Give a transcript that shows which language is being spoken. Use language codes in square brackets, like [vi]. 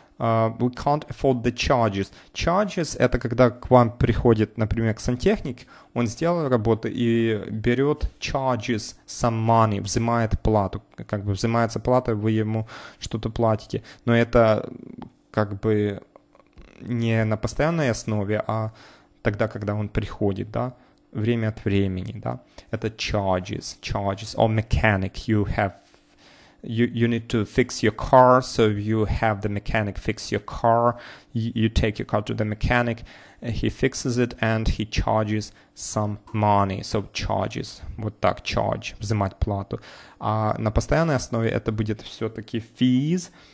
[en] We can't afford the charges. [ru] Charges — это когда к вам приходит, например, к сантехнику, он сделал работу и берет charges, [en] some money, [ru] взимает плату. Как бы взимается плата, вы ему что-то платите. Но это как бы не на постоянной основе, а тогда, когда он приходит, да, время от времени, да. Это charges, charges. [en] Or mechanic, you need to fix your car, so you have the mechanic fix your car. You take your car to the mechanic, he fixes it, and he charges some money. So charges, [ru] вот так, charge, взимать плату. А на постоянной основе это будет все-таки fees.